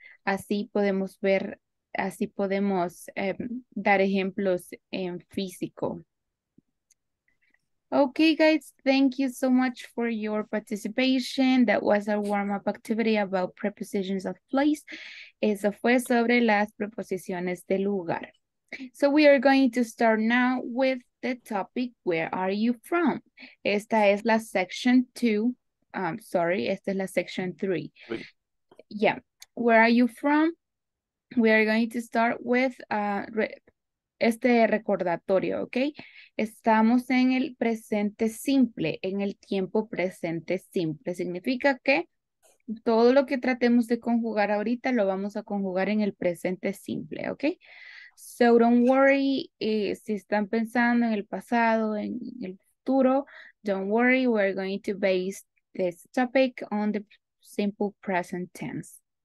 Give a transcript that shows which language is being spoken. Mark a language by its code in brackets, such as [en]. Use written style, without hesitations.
[es] Así podemos ver, así podemos dar ejemplos en físico. [en] Okay, guys, thank you so much for your participation. That was a warm-up activity about prepositions of place. [es] Eso fue sobre las preposiciones de lugar. [en] So we are going to start now with the topic, where are you from? [es] Esta es la section 2. Esta es la section 3. [en] Wait. Yeah, where are you from? We are going to start with [es] este recordatorio, [en] okay? [es] Estamos en el presente simple, en el tiempo presente simple. Significa que todo lo que tratemos de conjugar ahorita lo vamos a conjugar en el presente simple, okay? [en] So don't worry, [es] si están pensando en el pasado, en el futuro, [en] don't worry, we're going to base this topic on the simple present tense.